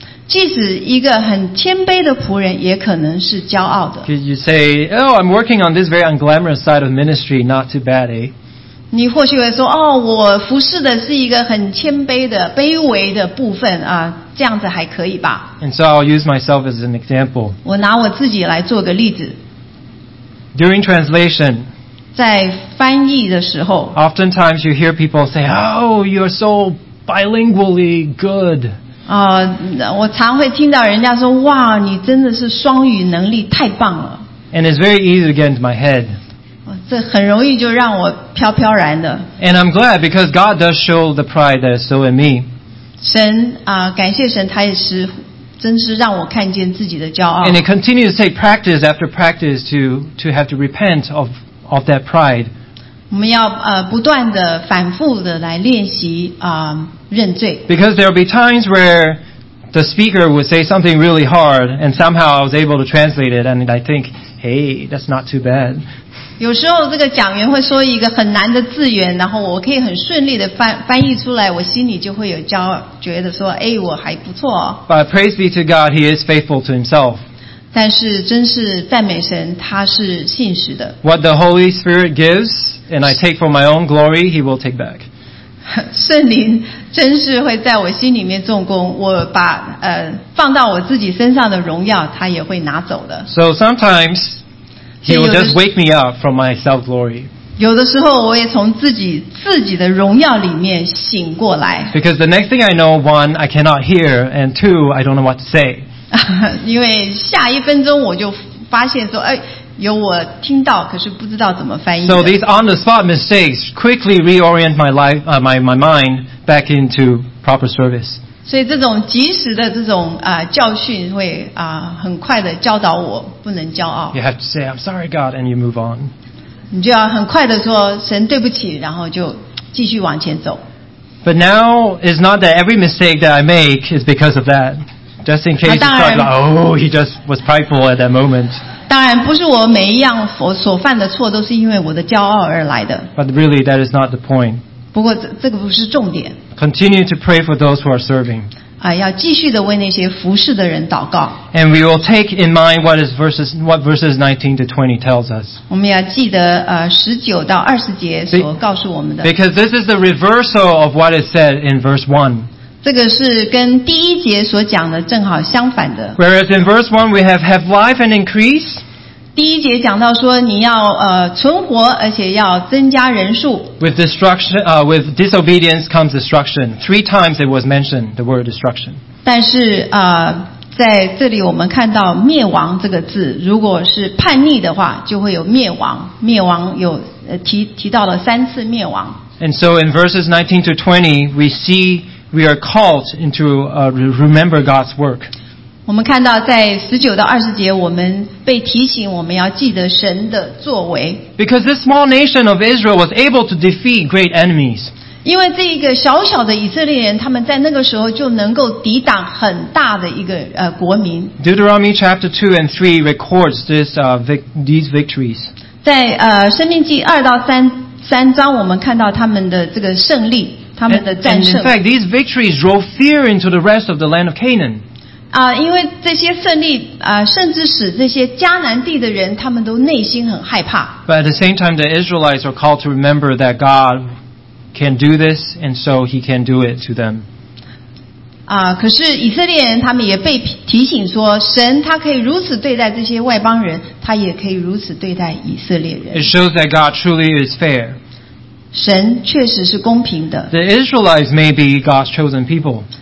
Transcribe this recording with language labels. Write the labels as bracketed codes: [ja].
[zh] 即使一个很谦卑的仆人也可能是骄傲的。 [en] Because you say, oh, I'm working on this very unglamorous side of ministry, not too bad, eh? [zh] 你或许会说哦，我服侍的是一个很谦卑的卑微的部分这样子还可以吧。 [en] And so I'll use myself as an example. [zh] 我拿我自己来做个例子。 [en] During translation, [zh] 在翻译的时候， [en] oftentimes you hear people say, oh, you're so bilingually good. [zh] 我常会听到人家说，哇，你真的是双语能力太棒了。 [en] And it's very easy to get into my head. [zh] 这很容易就让我飘飘然的。 [en] And I'm glad because God does show the pride that is still in me. [zh] 神啊，感谢神，他也是真是让我看见自己的骄傲。 [en] And it continues to take practice after practice to have to repent of that pride. [zh] 我们要不断的反复的来练习认罪。 [en] Because there will be times where the speaker would say something really hard, and somehow I was able to translate it, and I think, hey, that's not too bad. [zh] 有时候这个讲员会说一个很难的字源，然后我可以很顺利的翻译出来，我心里就会有骄傲，觉得说，哎，我还不错哦。 [en] But praise be to God, He is faithful to Himself. [zh] 但是真是赞美神，他是信实的。 [en] What the Holy Spirit gives, and I take for my own glory, He will take back. [zh] 圣灵真是会在我心里面动工，我把放到我自己身上的荣耀，他也会拿走的。 [en] So sometimes He will just wake me up from my self glory. [zh] 有的时候我也从自己的荣耀里面醒过来。 [en] Because the next thing I know, one, I cannot hear, and two, I don't know what to say. [zh] 因为下一分钟我就发现说，哎，有我听到，可是不知道怎么翻译。 [en] So these on-the-spot mistakes quickly reorient my life, my mind back into proper service. [zh] 所以这种及时的这种教训会很快的教导我不能骄傲。 [en] You have to say, "I'm sorry, God," and you move on. [zh] 你就要很快的说神对不起，然后就继续往前走。 [en] But now it's not that every mistake that I make is because of that. Just in case you start like, "Oh, he just was prideful at that moment." [zh] 当然不是我每一样所犯的错都是因为我的骄傲而来的。 [en] But really, that is not the point. [zh] 不过这个不是重点。 [en] Continue to pray for those who are serving. [zh] 要继续的为那些服事的人祷告。 [en] And we will take in mind what verses 19 to 20 tells us. [zh] 我们要记得19到20节所告诉我们的。 [en] Because this is the reversal of what is said in verse 1. [zh] 这个是跟第一节所讲的正好相反的。 [en] Whereas in verse 1 we have life and increase. [zh] 第一节讲到说你要存活而且要增加人数。 [en] With disobedience comes destruction. Three times it was mentioned, the word destruction. [zh] 但是在这里我们看到灭亡这个字，如果是叛逆的话就会有灭亡。灭亡有提到了三次灭亡。 [en] And so in verses 19 to 20 we are called into remember God's work. [zh] 我们看到在19到20节我们被提醒我们要记得神的作为。 [en] Because this small nation of Israel was able to defeat great enemies. [zh] 因为这个小小的以色列人他们在那个时候就能够抵挡很大的一个国民。 [en] Deuteronomy chapter 2 and 3 records these victories. [zh] 在生命记2到3章我们看到他们的这个胜利。 [en] And in fact, these victories drove fear into the rest of the land of Canaan. [zh] 因为这些胜利甚至使这些迦南地的人他们都内心很害怕。 [en] But at the same time, the Israelites are called to remember that God can do this, and so He can do it to them. [zh] 可是以色列人他们也被提醒说，神他可以如此对待这些外邦人，他也可以如此对待以色列人。 [en] It shows that God truly is fair. [zh] 神确实是公平的。 [en] The Israelites may be God's chosen people.